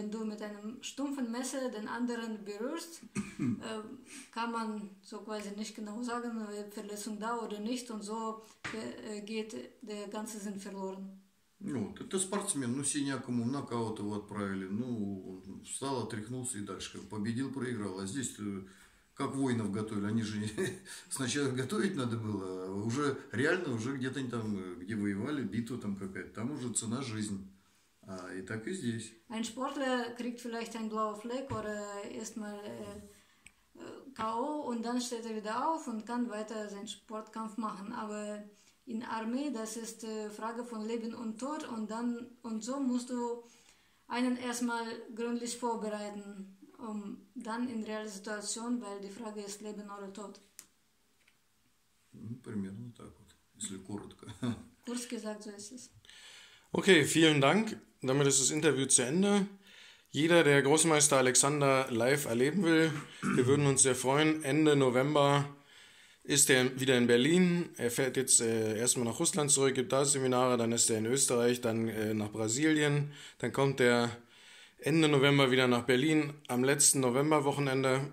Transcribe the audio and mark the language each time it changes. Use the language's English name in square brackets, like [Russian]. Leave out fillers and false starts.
[German] Wenn du mit einem stumpfen Messer den anderen berührst, kann man so quasi nicht genau sagen, ob Verletzung da oder nicht, und so geht der ganze Sinn verloren. [Russian] Ну, ты спортсмен, ну синяк ему, нокаут его отправили, ну, он встал, отряхнулся и дальше, как победил, проиграл. А здесь, как воинов готовили, они же сначала готовить надо было, а уже реально, уже где-то они там, где воевали, битва там какая-то, там уже цена жизнь. А и так и здесь. [German] Ein Sportler kriegt vielleicht einen blauen Fleck oder erstmal K.O. und dann steht wieder auf und kann weiter seinen Sportkampf machen, aber... In Armee, das ist Frage von Leben und Tod, und dann und so musst du einen erstmal gründlich vorbereiten, um dann in realer Situation, weil die Frage ist Leben oder Tod. [Russian] Примерно так вот, если коротко. [German] Kurz gesagt, so ist es. Okay, vielen Dank. Damit ist das Interview zu Ende. Jeder, der Großmeister Alexander live erleben will, wir würden uns sehr freuen. Ende November ist er wieder in Berlin, er fährt jetzt erstmal nach Russland zurück, gibt da Seminare, dann ist er in Österreich, dann nach Brasilien, dann kommt er Ende November wieder nach Berlin, am letzten Novemberwochenende.